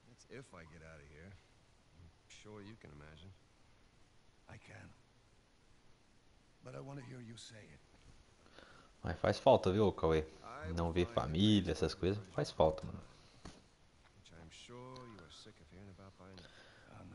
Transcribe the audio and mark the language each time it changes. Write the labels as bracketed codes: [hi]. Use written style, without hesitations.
[en] If I get out of here, I'm sure you can imagine. I can. But I want to hear you say it. [pt] Mas faz falta, viu, Cauê? Não ver família, essas coisas, faz falta, mano. [en] Which I'm sure you are sick of hearing about by now.